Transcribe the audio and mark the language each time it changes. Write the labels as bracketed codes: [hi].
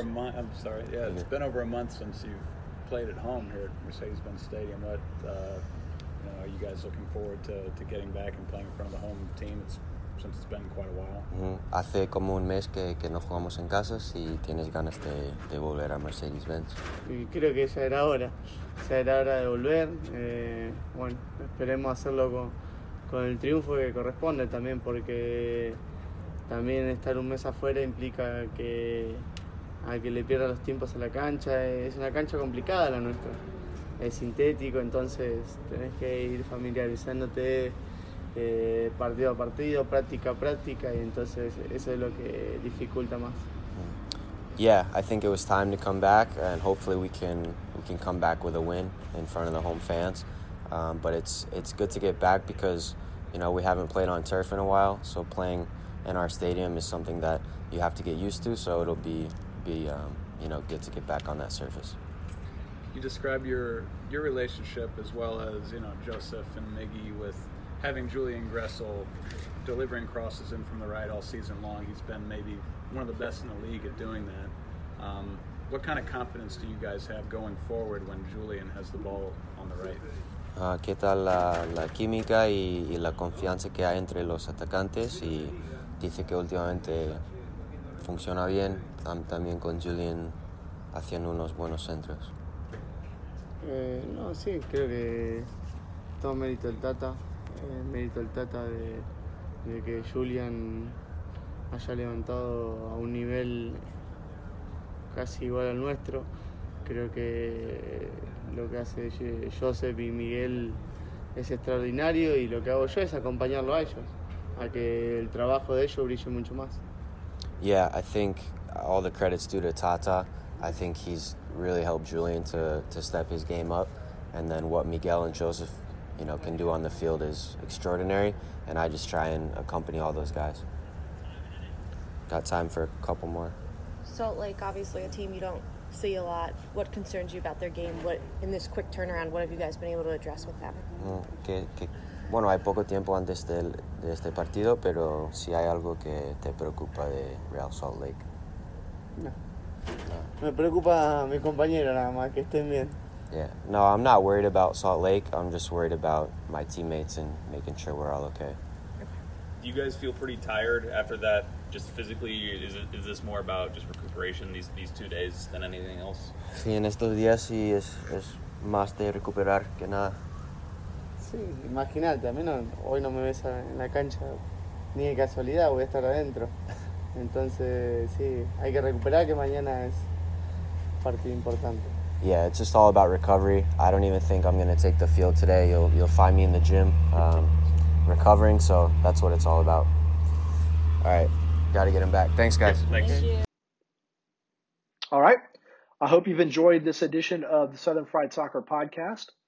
[en] It's been over a month since you've played at home here at Mercedes-Benz Stadium. What are you guys looking forward to getting back and playing in front of the home team? Since it's been quite a while. Mm-hmm. [es] Hace como un mes que no jugamos en casa. Si tienes ganas de volver a Mercedes-Benz. Y creo que ya era hora. Ya era hora de volver. Bueno, esperemos hacerlo con el triunfo que corresponde también, porque también estar un mes afuera implica que le pierda los tiempos a la cancha. Es una cancha complicada la nuestra. Es sintético, entonces tenés que ir familiarizándote partido a partido, práctica a práctica, y entonces eso es lo que dificulta más. [en] Yeah, I think it was time to come back, and hopefully we can come back with a win in front of the home fans. But it's good to get back because, you know, we haven't played on turf in a while, so playing in our stadium is something that you have to get used to, so it'll be good to get back on that surface. You describe your relationship as well as, you know, Joseph and Miggy with having Julian Gressel delivering crosses in from the right all season long. He's been maybe one of the best in the league at doing that. What kind of confidence do you guys have going forward when Julian has the ball on the right? [es] ¿Qué tal la química y la confianza que hay entre los atacantes? Y dice que últimamente funciona bien, también con Julian haciendo unos buenos centros. No, sí, creo que todo mérito del Tata. Mérito del Tata de que Julian haya levantado a un nivel casi igual al nuestro. Creo que lo que hace Joseph y Miguel es extraordinario y lo que hago yo es acompañarlo a ellos, a que el trabajo de ellos brille mucho más. [en] Yeah, I think all the credit's due to Tata. I think he's really helped Julian to step his game up. And then what Miguel and Joseph, you know, can do on the field is extraordinary. And I just try and accompany all those guys. Got time for a couple more. Salt Lake, obviously a team you don't see a lot. What concerns you about their game? What, in this quick turnaround, what have you guys been able to address with them? [es] Bueno, hay poco tiempo antes de este partido, pero si hay algo que te preocupa de Real Salt Lake. No. Me preocupa mi compañero nada más, que estén bien. [en] Yeah. No, I'm not worried about Salt Lake. I'm just worried about my teammates and making sure we're all okay. Do you guys feel pretty tired after that? Just physically, is this more about just recuperation these 2 days than anything else? [es] Sí, en estos días sí es más de recuperar que nada. Sí, imagínate, a mí no, hoy no me ves en la cancha ni de casualidad, voy a estar adentro. Entonces, sí, hay que recuperar que mañana es partido importante. [en] Yeah, it's just all about recovery. I don't even think I'm going to take the field today. You'll find me in the gym recovering, so that's what it's all about. All right, got to get him back. Thanks, guys. Thank you. All right, I hope you've enjoyed this edition of the Southern Fried Soccer Podcast.